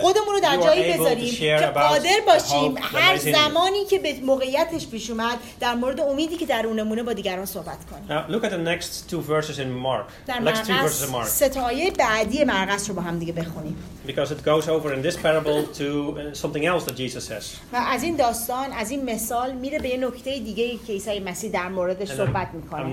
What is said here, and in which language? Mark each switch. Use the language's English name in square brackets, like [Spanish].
[Persian] خودمون رو در جایی بذارین در باشیم هر زمانی که به موقعیتش پیش اومد در مورد امیدی که درونمونه با دیگران صحبت کنیم. [English] Now, look at the next two verses in Mark. [Persian] در مرقس سه تا آیه بعدی مرقس رو با هم دیگه بخونیم. [English] Because it goes over in this parable to something else that Jesus says. [Persian] و از این داستان از این مثال میره به یه نکته دیگه که عیسی مسیح در موردش صحبت میکنه.